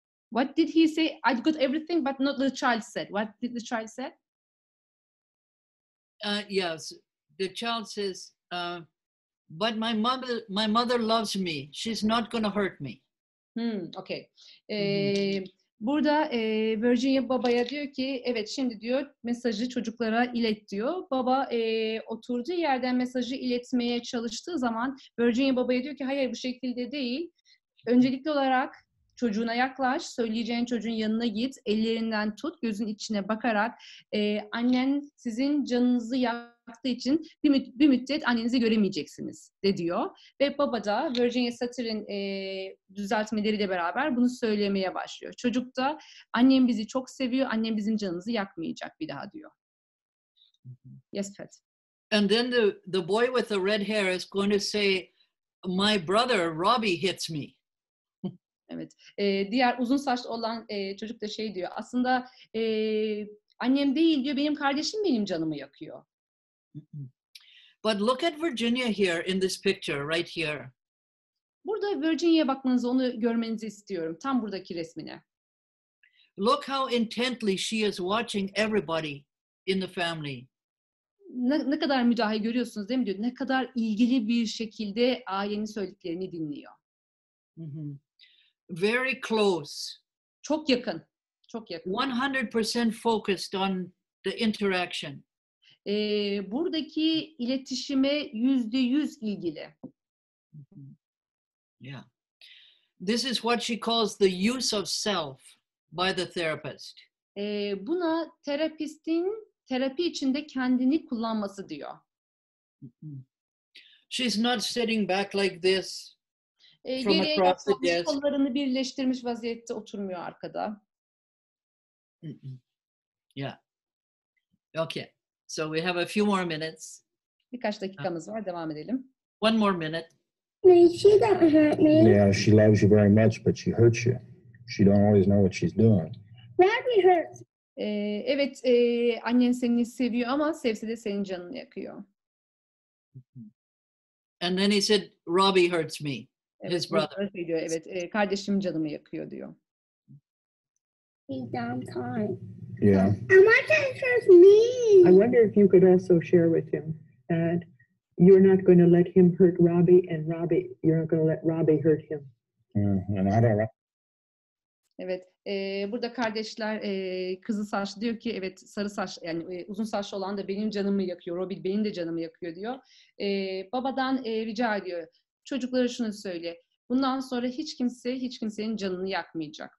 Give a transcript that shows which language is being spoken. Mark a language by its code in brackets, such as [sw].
[en] What did he say? I got everything, but not the child said. What did the child say? Yes, the child says, but my mother loves me. She's not going to hurt me. Hmm, okay. [tr] Burada Virginia babaya diyor ki, evet şimdi diyor mesajı çocuklara ilet diyor. Baba oturduğu yerden mesajı iletmeye çalıştığı zaman Virginia babaya diyor ki, hayır bu şekilde değil. Öncelikli olarak çocuğuna yaklaş, söyleyeceğin çocuğun yanına git, ellerinden tut, gözün içine bakarak annen sizin canınızı yaktığı için bir müddet annenizi göremeyeceksiniz de diyor. Ve baba da Virginia Satir'in düzeltmeleriyle beraber bunu söylemeye başlıyor. Çocuk da annem bizi çok seviyor, annem bizim canımızı yakmayacak bir daha diyor. [en] Yes, Pat. And then the boy with the red hair is going to say, my brother Robbie hits me. [tr] Evet. Diğer uzun saçlı olan çocuk da şey diyor. Aslında annem değil diyor. Benim kardeşim benim canımı yakıyor. [en] But look at Virginia here in this picture right here. [tr] Burada Virginia'ya bakmanızı, onu görmenizi istiyorum. Tam buradaki resmine. [en] Look how intently she is watching everybody in the family. [tr] Ne kadar müdahil görüyorsunuz değil mi diyor. Ne kadar ilgili bir şekilde ailenin söylediklerini dinliyor. [en] Very close. [tr] Çok yakın. Çok yakın. [en] 100% focused on the interaction. [tr] Buradaki iletişime %100 ilgili. [en] Yeah. This is what she calls the use of self by the therapist. [tr] Buna terapistin terapi içinde kendini kullanması diyor. [en] She's not sitting back like this. [tr] Geriye kollarını birleştirmiş vaziyette oturmuyor arkada. [en] Yeah. Okay. So we have a few more minutes. [tr] Birkaç dakikamız var. Devam edelim. [en] One more minute. No, she doesn't hurt me. Yeah, she loves you very much, but she hurts you. She don't always know what she's doing. Robbie hurts. [tr] Evet, annen seni seviyor ama sevse de senin canını yakıyor. [en] And then he said, Robbie hurts me. [tr] Evet, [en] his brother. [tr] Diyor, evet, kardeşim canımı yakıyor diyor. [en] He's downtime. Yeah. I wonder if it's me. I wonder if you could also share with him that you're not going to let him hurt Robbie, and Robbie, you're not going to let Robbie hurt him. Yeah, and I don't. [tr] Evet, burada kardeşler, kızı saçlı diyor ki, evet, sarı saç, yani uzun saçlı olan da benim canımı yakıyor, Robbie benim de canımı yakıyor diyor. Babadan rica ediyor, çocuklara şunu söyle. Bundan sonra hiç kimse hiç kimsenin canını yakmayacak.